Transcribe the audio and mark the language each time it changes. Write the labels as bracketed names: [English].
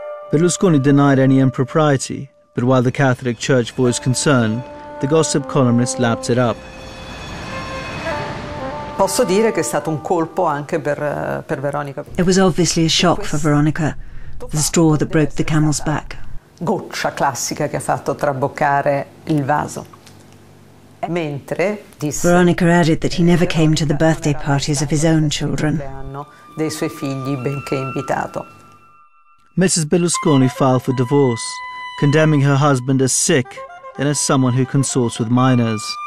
[English] Berlusconi denied any impropriety, but while the Catholic Church voiced concern, the gossip columnist lapped it up. It was obviously a shock for Veronica, the straw that broke the camel's back. [Italian] Goccia classica che ha fatto traboccare il vaso. Mentre disse, [English] Veronica added that he never came to the birthday parties of his own children. [Italian] Dei suoi figli, benché invitato. [English] Mrs. Berlusconi filed for divorce, condemning her husband as sick and as someone who consorts with minors.